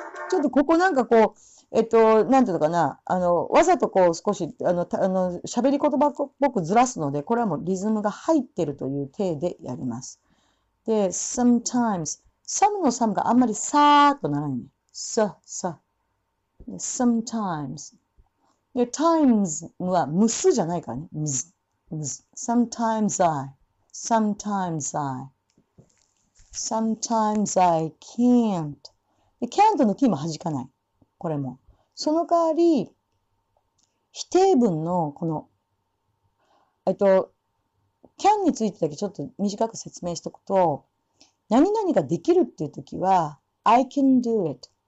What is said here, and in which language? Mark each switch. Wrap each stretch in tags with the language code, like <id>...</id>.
<ja>ちょっとここなんかこう、なんていうのかな、わざとこう少し、喋り言葉っぽくずらすので、これはもうリズムが入ってるという体でやります。で、sometimes, some の some があんまりさーっとならない。さ、さ。sometimes. で、times は無数じゃないからね。むず、むず。</ja> <en>sometimes I, sometimes I, sometimes I can't.</en> <ja>で、can't の t も弾かない。これも。その代わり、否定文のこの、can についてだけちょっと短く説明しておくと、何々ができるっていうときは、 I can do it.</ja>